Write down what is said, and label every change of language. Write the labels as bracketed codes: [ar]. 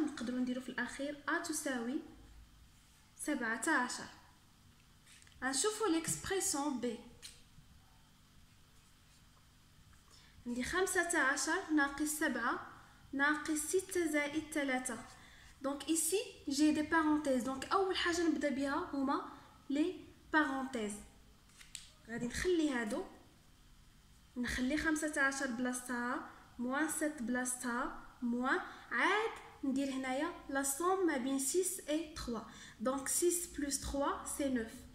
[ar] نقدروا نديروا في الاخير ا تساوي 17. نشوفوا ليكسبريسيون ب، عندي 15 ناقص 7 ناقص 6 زائد 3. [fr] دونك ici j'ai des parenthèses. [ar] دونك اول حاجه نبدا بها هما لي بارونتيز. غادي نخلي هادو، نخلي 15 بلاصتها موان 7 بلاصتها موان، عاد ندير هنايا لا صوم ما بين 6 اي 3. دونك 6 بلس 3 سي 9.